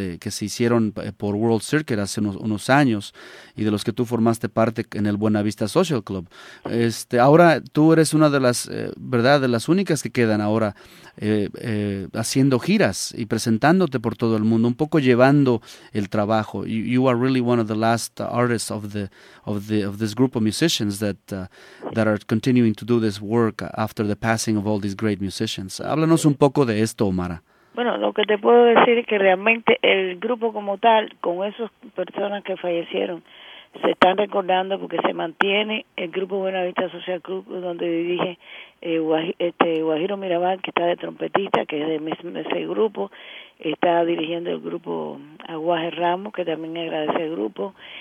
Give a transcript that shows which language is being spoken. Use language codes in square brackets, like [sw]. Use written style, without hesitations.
[es] Que se hicieron por World Circuit hace unos años, y de los que tú formaste parte en el Buenavista Social Club. Ahora tú eres una de las, ¿verdad? De las únicas que quedan ahora haciendo giras y presentándote por todo el mundo, un poco llevando el trabajo. [en] You are really one of the last artists of this group of musicians that are continuing to do this work after the passing of all these great musicians. [es] Háblanos un poco de esto, Omara. Bueno, lo que te puedo decir es que realmente el grupo como tal, con esas personas que fallecieron, se están recordando porque se mantiene el grupo Buenavista Social Club, donde dirige Guajiro Mirabal, que está de trompetista, que es de ese grupo, está dirigiendo el grupo Aguaje Ramos, que también agradece el grupo.